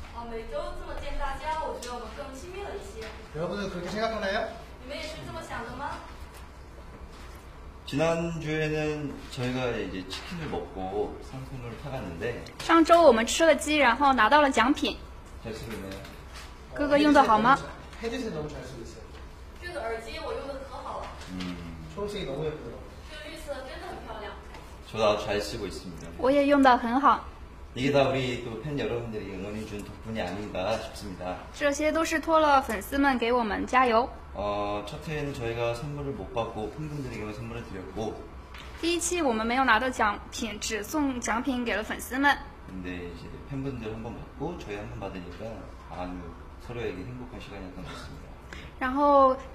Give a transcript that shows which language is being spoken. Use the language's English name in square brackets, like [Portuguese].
[Chinese] 每周这么见大家，我觉得我们更亲密了一些。 [Korean] 여러분은 그렇게 생각하나요? [Chinese] 你们也是这么想的吗？ [Korean] 지난주에는 저희가 이제 치킨을 먹고 상품을 타갔는데. [Chinese] 上周我们吃了鸡，然后拿到了奖品。 [Korean] 잘 쓰고 있나요? [Chinese] 哥哥 用的好吗？ [Korean] 헤드셋 너무 잘 쓰고 있어요. [Chinese] 这个耳机我用的可好了。 [Korean] 초록색이 너무 예쁘죠. [Chinese] 这绿色真的很漂亮。 [Korean] 저도 아주 잘 쓰고 있습니다. [Chinese] 我也用的很好。 [Korean] 이게 다 우리 또 팬 여러분들이 응원해 준 덕분이 아닌가 싶습니다. [Chinese] 这些都是托了粉丝们给我们加油. [Korean] 첫 회에는 저희가 선물을 못 받고 팬분들에게만 선물을 드렸고. [Chinese] 第一期我们没有拿到奖品，只送奖品给了粉丝们. [Korean] 근데 이제 팬분들 한번 받고 저희 한번 받으니까 아주 서로에게 행복한 시간이었던 것 같습니다.